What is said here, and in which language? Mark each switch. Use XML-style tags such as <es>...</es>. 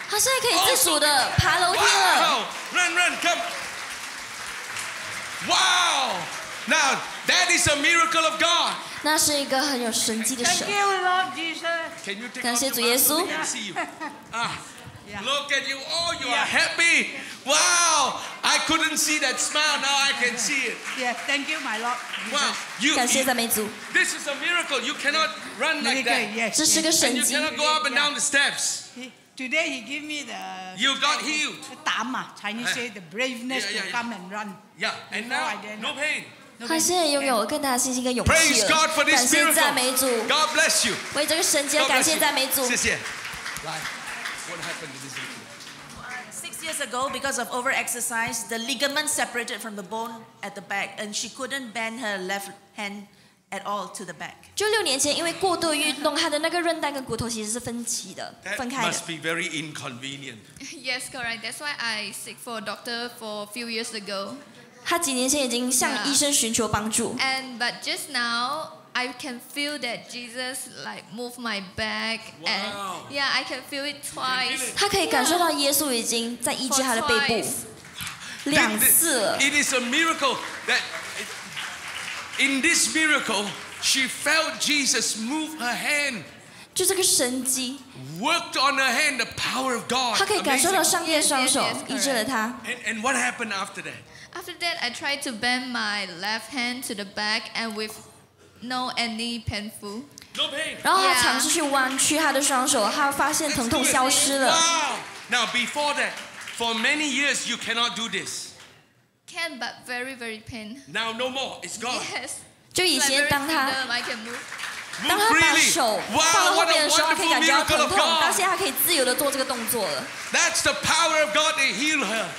<zh>他现在可以自主的爬楼梯了。</zh> <en>Wow, run, run, come. Wow, now that is a miracle of God.</en> <zh>那是一个很有神迹的神。</zh> <en>Thank you, Lord Jesus. Can you take?</en> <zh>感谢主耶稣。</zh> <en>See you. Look at you. Oh, you are happy. Wow, I couldn't see that smile. Now I can see it. Yes, thank you, my Lord. Wow, you.</en> <zh>感谢赞美主。</zh> <en>This is a miracle. You cannot run like that.</en> <zh>这是个神迹。</zh> <en>And you cannot go up and down the steps. Today he gave me the. You got healed.</en> <zh>打嘛</zh> <en>，Chinese say the braveness to come and run. Yeah, and now no pain.</en> <zh>他现在拥有更大的信心跟勇气。</zh> <en>Praise God for this miracle.</en> <zh>感谢赞美主。</zh> <en>God bless you.</en> <zh>为这个神迹感谢赞美主。谢谢。来。</zh> <en>What happened to this lady? 6 years ago, because of overexercise, the ligament separated from the bone at the back, and she couldn't bend her left hand at all to the back.</en> <zh>就六年前，因为过度运动，她的那个韧带跟骨头其实是分歧的，分开的。</zh> <en>That must be very inconvenient. Yes, correct. That's why I seek for a doctor for a few years ago.</en> <zh>她几年前已经向医生寻求帮助。</zh> <en>And but just now. I can feel that Jesus like move my back, and yeah, I can feel it twice.</en> <zh>他可以感受到耶稣已经在医治他的背部，两次。</zh> <en>It is a miracle that in this miracle she felt Jesus move her hand.</en> <zh>就这个神迹。</zh> <en>Worked on her hand, the power of God.</en> <zh>他可以感受到上帝的双手医治了他。</zh> <en>And what happened after that? After that, I tried to bend my left hand to the back, and withNo any painful. No pain.</en> <zh>然后他尝试去弯曲他的双手，他发现疼痛消失了。</zh> <en>Wow. Now before that, for many years you cannot do this. Can but very very pain. Now no more. It's gone. Yes.</en> <zh>就以前当他</zh> <en>I can move.</en> <zh>当他把手放到后面的时候，他可以感觉到疼痛，但现在他可以自由的做这个动作了。</zh> <en>That's the power of God to heal her.</en>